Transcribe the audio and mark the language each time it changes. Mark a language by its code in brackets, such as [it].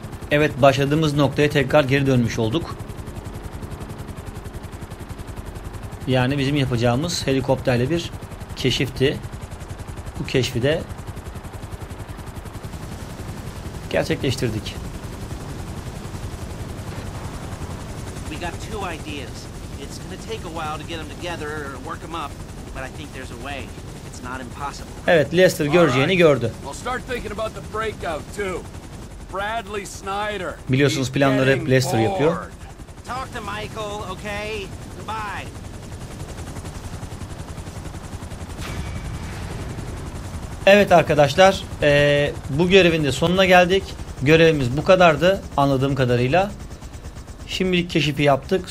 [tr] Evet, başladığımız noktaya tekrar geri dönmüş olduk. Yani bizim yapacağımız helikopterle bir keşifti. Bu keşfi de gerçekleştirdik. [en] We got two ideas. It's gonna take a while to get them together or work them up, but I think there's a way. It's not impossible. [tr] Evet, Lester göreceğini gördü. [en] I'll start thinking about the breakout too. Bradley Snyder. [tr] Biliyorsunuz planları hep Lester yapıyor. [en] Talk to Michael, okay? Goodbye. [tr] Evet arkadaşlar, bu görevin de sonuna geldik. Görevimiz bu kadardı anladığım kadarıyla. Şimdilik keşifi yaptık.